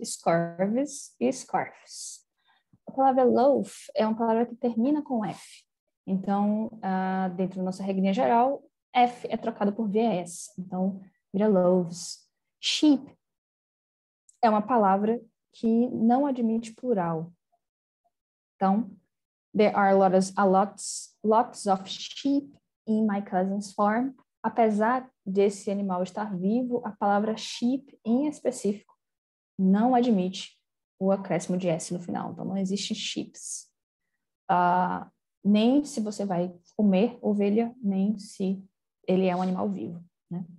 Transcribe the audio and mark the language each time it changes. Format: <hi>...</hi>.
<pt>Scarves e scarfs. A palavra loaf é uma palavra que termina com F. Então, dentro da nossa regrinha geral, F é trocado por VS. Então, vira loaves. Sheep é uma palavra que não admite plural.</pt> <en>Então, there are lots of sheep in my cousin's farm.</en> <pt>Apesar desse animal estar vivo, a palavra sheep em específico não admite o acréscimo de S no final. Então, não existe sheeps. Nem se você vai comer ovelha, nem se ele é um animal vivo, né?</pt>